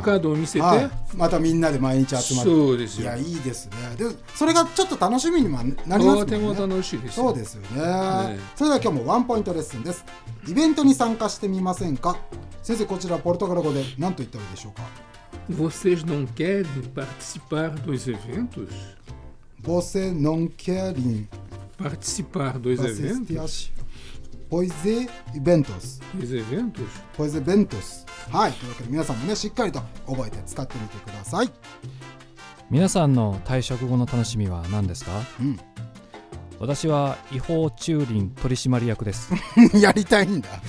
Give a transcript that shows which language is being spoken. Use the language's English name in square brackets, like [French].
[Japanese] カードを見せて、またみんなで毎日集まる。そうですよ。いや、いいですね。でそれがちょっと楽しみにもなりますもんね。とても楽しいです。そうですよ ね、 ね。それでは今日もワンポイントレッスンです。イベントに参加してみませんか。先生、こちらポルトガル語で何と言ったらいいでしょうか。 [Portuguese] Vocês não querem participar dos eventos? Vocês não querem participar dos eventos? Pois é, eventos. Pois é, eventos. Pois é, eventos. [Japanese] はい、というわけで皆さんもね、しっかりと覚えて使ってみてください。皆さんの退職後の楽しみは何ですか？私は違法駐輪取締役です。やりたいんだ。